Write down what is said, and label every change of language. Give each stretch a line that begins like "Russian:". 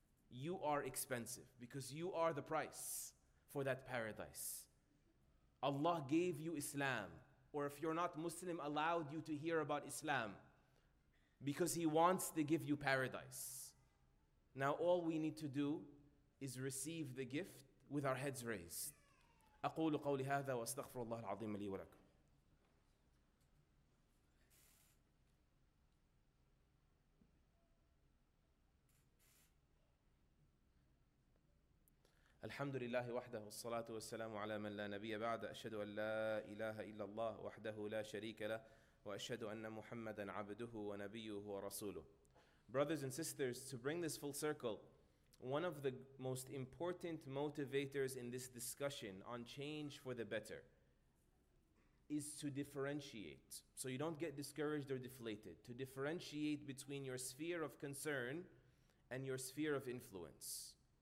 English: You are expensive because you are the price for that paradise. Allah gave you Islam, or if you're not Muslim, allowed you to hear about Islam because He wants to give you paradise. Now, all we need to do is receive the gift with our heads raised.
Arabic: أقول قولي هذا وأستغفر الله العظيم لي ولكم. الحمد لله وحده والصلاة والسلام على من لا نبي بعد. أشهد أن لا إله إلا الله وحده لا شريك له وأشهد أن محمدا عبده ونبيه ورسوله.
English: Brothers and sisters, to bring this full circle, one of the most important motivators in this discussion on change for the better is to differentiate, so you don't get discouraged or deflated, to differentiate between your sphere of concern and your sphere of influence.